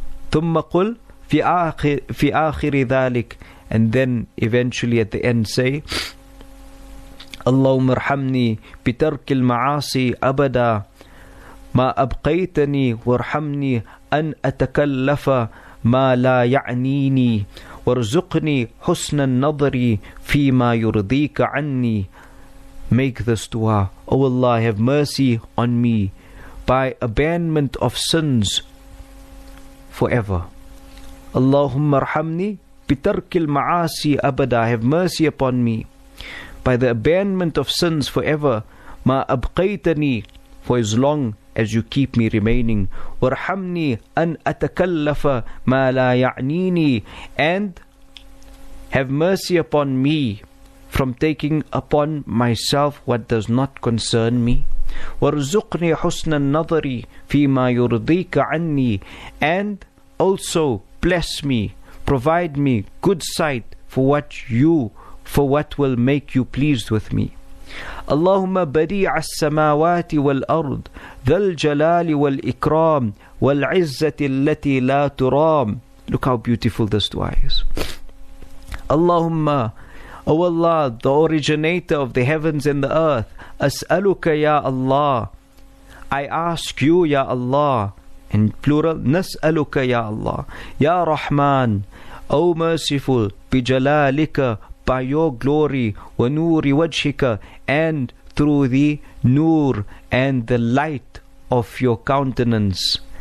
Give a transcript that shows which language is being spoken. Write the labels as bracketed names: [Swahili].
[Arabic] ثُمَّ قُلْ فِي آخِرِ ذَلِكَ, [English] and then eventually at the end say, [Arabic] اللَّهُمْ ارْحَمْنِي بِتَرْكِ الْمَعَاصِي أَبَدًا ما أبقيتني وارحمني أن أتكلف ما لا يعنيني وارزقني حسن النظر فيما يرضيك عني. [English] Make this dua. O Allah, have mercy on me by abandonment of sins forever. [Arabic] اللهم ارحمني بترك المعاصي أبدا. [English] Have mercy upon me by the abandonment of sins forever. [Arabic] ما أبقيتني, [English] for as long as you keep me remaining. [Arabic] وَرْحَمْنِي أَنْ أَتَكَلَّفَ مَا لَا يَعْنِينِي, [English] and have mercy upon me from taking upon myself what does not concern me. [Arabic] وَرْزُقْنِي حُسْنَ النَّظَرِي فِي مَا يُرْضِيكَ عَنِّي, [English] and also bless me, provide me good sight for what will make you pleased with me. [Arabic] اللهم بديع السماوات والأرض ذا الجلال والإكرام والعزة التي لا ترام. [English] Look how beautiful this dua is. [Arabic] اللهم, [English] O Allah, the originator of the heavens and the earth, [Arabic] أسألك يا الله, [English] I ask you, [Arabic] يا الله, [English] in plural, [Arabic] نسألك يا الله, يا رحمن, [English] O merciful, [Arabic] بجلالك, [English] by your glory, [Arabic] وَنُورِ وَجْهِكَ, [English] and through the nur and the light of your countenance,